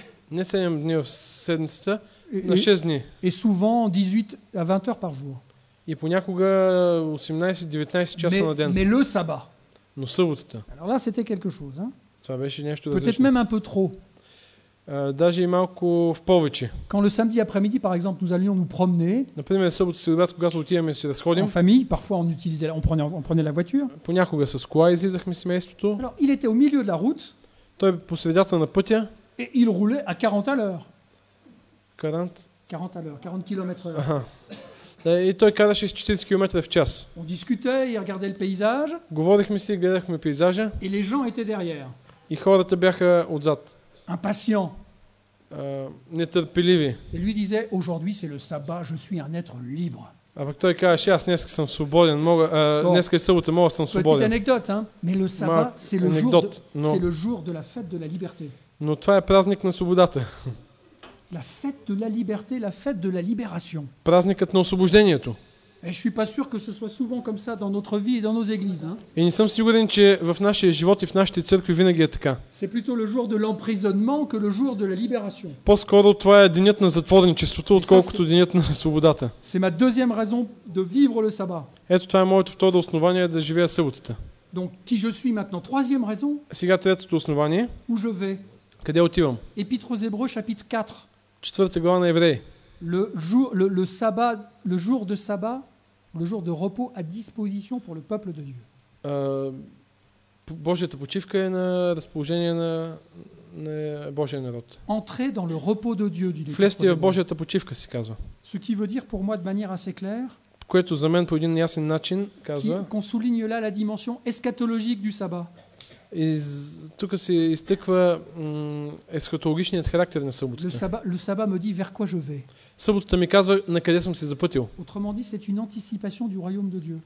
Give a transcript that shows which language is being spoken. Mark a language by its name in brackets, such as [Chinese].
[Bulgarian] Не 7 дни в седмицата, но 6 дни. [French] Et souvent 18 à 20 heures par jour. [Bulgarian] И понякога 18-19 часа на ден. [French] Mais le sabbat. [Bulgarian] Но съботата. [French] Alors là, c'était quelque chose. [Bulgarian] Това беше нещо различно. [French] Peut-être même un peu trop. [Bulgarian] Даже и малко в повече. [French] Quand le samedi après-midi par exemple nous allions nous promener. [Bulgarian] Например, събота следобед, когато отиваме се разходим. [French] En famille, parfois on utilisait on prenait la voiture. [Bulgarian] Понякога с кола излизахме семейството. [French] Alors, il était au milieu de la route. [Bulgarian] Той по средата на пътя. [French] Et il roulait à 40 à l'heure. 40 km/h. [Bulgarian] И той караше с 40 км в час. [French] On discutait, il regardait le paysage. [Bulgarian] Говорихме си, гледахме пейзажа. [French] Et les gens étaient derrière. [Bulgarian] И хората бяха отзад. [French] Impatient. [Bulgarian] Нетърпеливи. [French] Et lui disait, aujourd'hui c'est le sabbat, je suis un être libre. [Bulgarian] А пък той казва, аз днес съм свободен, мога, днес е събота, мога съм свободен. [French] Petite anecdote, hein? Mais le sabbat, c'est le jour de, c'est le jour de la fête de la liberté. [Bulgarian] Но това е празник на свободата. [French] La fête de la liberté, la fête de la libération. [Bulgarian] Празникът на освобождението. [French] Et je suis pas sûr que ce soit souvent comme ça dans notre vie et dans nos églises, hein? [Bulgarian] И не съм сигурен, че в нашия живот и в нашите църкви винаги е така. [French] C'est plutôt le jour de l'emprisonnement que le jour de la libération. [Bulgarian] По-скоро това е денят на затворничеството, отколкото денят на свободата. [French] C'est ma deuxième raison de vivre le sabbat. [Bulgarian] Ето това е моето второ основание да живея съботата. [French] Donc qui je suis maintenant, troisième raison? [Bulgarian] Сега третото основание. [French] Où je vais? [Bulgarian] Къде отивам? [French] Épître aux Hébreux chapitre 4. [Bulgarian] Четвърта глава на Евреи. [French] Le jour le sabbat, le jour de sabbat, le jour de repos à disposition pour le peuple de Dieu. [Bulgarian] Божията почивка е на разположение на Божия народ. [French] Entrer dans le repos de Dieu, dit-il. [Bulgarian] Влезте в Божията почивка, се казва. [French] Ce qui veut dire pour moi de manière assez claire, [Bulgarian] което за мен по един ясен начин казва, [French] qu'on souligne là la dimension eschatologique du sabbat. [Bulgarian] Тук се изтъква есхатологичният характер на съботата. [French] Le sabbat me dit vers quoi je vais. [Bulgarian] Съботата ми казва на къде съм се запътил. [French] Autrement dit, c'est une anticipation du royaume de Dieu.